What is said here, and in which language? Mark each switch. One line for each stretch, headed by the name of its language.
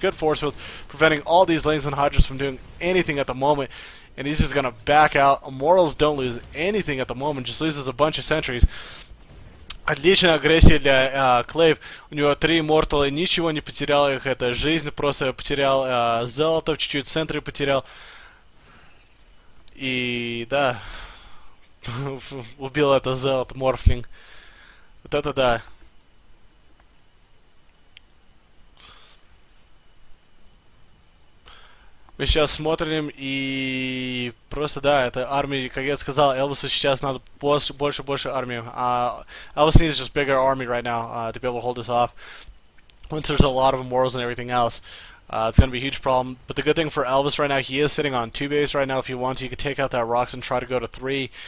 English: Good force field preventing all these lings and hydras from doing anything at the moment. And he's just gonna back out. Immortals don't lose anything at the moment, just loses a bunch of sentries.
Russian: Отличная агрессия для Клейв. У него 3 мортала, ничего не потерял их. Это жизнь просто потерял золото, чуть-чуть сентри потерял. И да. Убил это золото, морфлинг. Вот это да. Мы сейчас смотрим и просто да, это армия, как я сказал, Элвису сейчас надо больше армии.
English: Элвис needs just bigger army right now to be able to hold this off. Once there's a lot of immortals and everything else, it's gonna be a huge problem. But the good thing for Elvis right now, he is sitting on 2 base right now. If he wants, he could take out that rocks and try to go to 3.